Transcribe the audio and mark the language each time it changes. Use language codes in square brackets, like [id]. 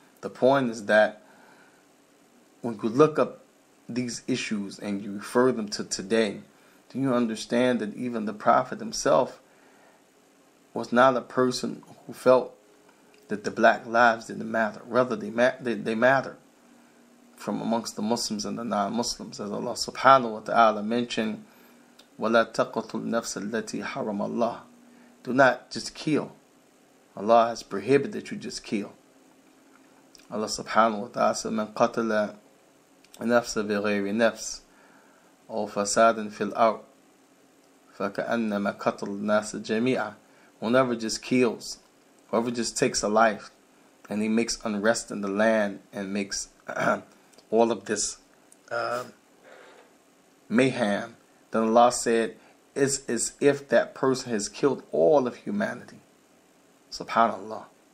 [en] The point is that when you look up these issues and you refer them to today, do you understand that even the Prophet himself was not a person who felt that the black lives didn't matter. Rather, they matter from amongst the Muslims and the non-Muslims. [ar] As Allah subhanahu wa ta'ala mentioned, وَلَا تَقْتُلْ نَفْسَ الَّتِي حَرَمَ اللَّهُ. [en] Do not just kill. Allah has prohibited that you just kill. [ar] Allah subhanahu wa ta'ala said, مَنْ قَتَلَ نَفْسَ بِغَيْرِ نَفْسِ أَوْ فَسَادٍ فِي الْأَرْضِ فَكَأَنَّمَا قَتَلَ النَّاسَ جَمِيعًا. [en] Whoever just kills, whoever just takes a life, and he makes unrest in the land, and makes all of this mayhem, then Allah said, It's as if that person has killed all of humanity. SubhanAllah.